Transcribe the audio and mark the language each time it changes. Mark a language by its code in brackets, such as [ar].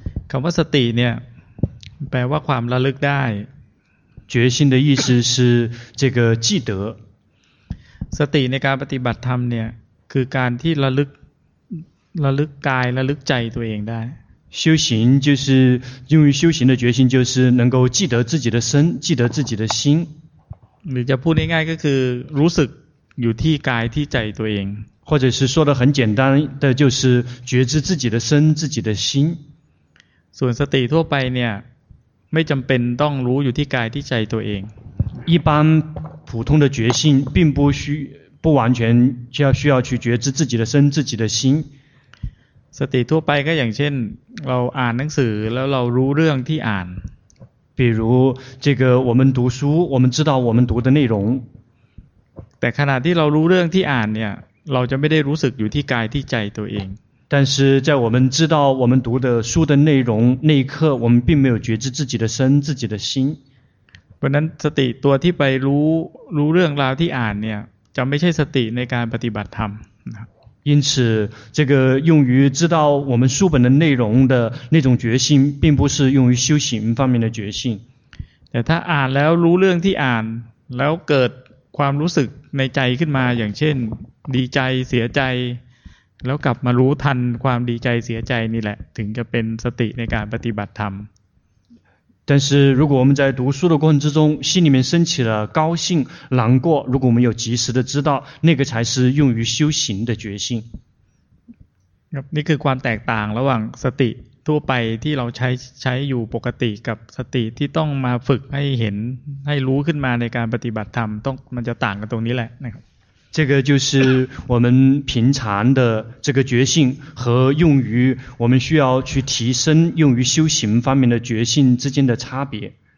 [th] คำว่าสติเนี่ยแปลว่าความระลึกได้ [zh] 觉心的意思是这个记得 [th] สติในการปฏิบัติธรรมเนี่ยคือการที่ระลึกกายระลึกใจตัวเองได้ [zh] 修行就是用于修行的觉心就是能够记得自己的身记得自己的心 [th] หรือจะพูดง่ายๆก็คือรู้สึกอยู่ที่กายที่ใจตัวเอง [zh] 或者是说的很简单的就是觉知自己的身自己的心 [th] ส่วนสติทั่วไปเนี่ยไม่จำเป็นต้องรู้อยู่ที่กายที่ใจตัวเอง [zh] 一般普通的觉性并不完全需要去觉知自己的身自己的心 [th] สติทั่วไปก็อย่างเช่นเราอ่านหนังสือแล้วเรารู้เรื่องที่อ่าน [zh] 比如这个我们读书我们知道我们读的内容 [th] แต่ขณะที่เรารู้เรื่องที่อ่านเนี่ยเราจะไม่ได้รู้สึกอยู่ที่กายที่ใจตัวเอง [zh] 但是在我们知道我们读的书的内容那一刻我们并没有觉知自己的身自己的心 [th] เพราะนั้นสติตัวที่ไปรู้เรื่องราวที่อ่านเนี่ยจะไม่ใช่สติในการปฏิบัติธรรมนะ [zh] 因此这个用于知道我们书本的内容的那种觉性并不是用于修行方面的觉性 [th] แต่ถ้าอ่านแล้วรู้เรื่องที่อ่านแล้วเกิดความรู้สึกในใจขึ้นมาอย่างเช่นดีใจเสียใจแล้วกลับมารู้ทันความดีใจเสียใจนี่แหละถึงจะเป็นสติในการปฏิบัติธรรม [zh] 但是如果我们在读书的过程之中心里面升起了高兴难过如果我们有及时的知道那个才是用于修行的觉性 [th] นี่คือความแตกต่างระหว่างสติทั่วไปที่เราใช้อยู่ปกติกับสติที่ต้องมาฝึกให้เห็นให้รู้ขึ้นมาในการปฏิบัติธรรมต้องมันจะต่างกันตรงนี้แหละนะครับ [zh] 这个就是我们平常的这个觉性和用于我们需要去提升用于修行方面的觉性之间的差别。